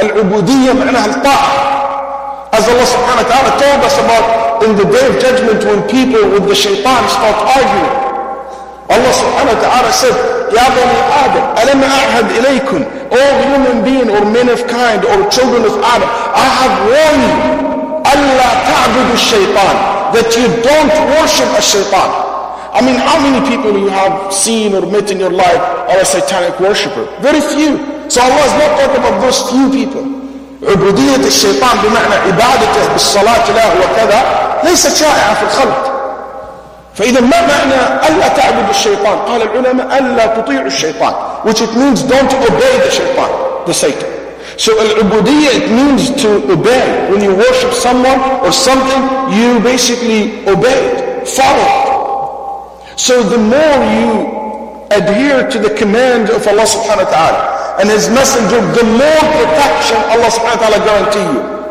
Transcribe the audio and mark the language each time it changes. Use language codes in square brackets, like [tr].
[ar] Al-ubudiyya ma'na al-ta'ah. [en] As Allah subhanahu wa ta'ala told us about in the Day of Judgment, when people with the shaitan start arguing, Allah subhanahu wa ta'ala said, [ar] Ya bani Adam, alam a'had ilaykum, [en] all human beings or men of kind or children of Adam, I have warned you, [ar] Allah ta'budu shaitan, [en] that you don't worship a shaitan. I mean, how many people you have seen or met in your life are a satanic worshipper? Very few. So Allah is not talking about those few people. [ar] عبودية الشيطان بمعنى عبادته بالصلاة له وكذا ليس شائعة في الخلق. فإذا ما معنى ألا تعبد الشيطان؟ قال العلماء ألا تطيع الشيطان, [en] which it means don't obey the shaitan, the Satan. So العبودية it means to obey. When you worship someone or something, you basically obey it, follow it. So the more you adhere to the command of Allah subhanahu wa ta'ala and His Messenger, the more protection Allah subhanahu wa ta'ala guarantee you.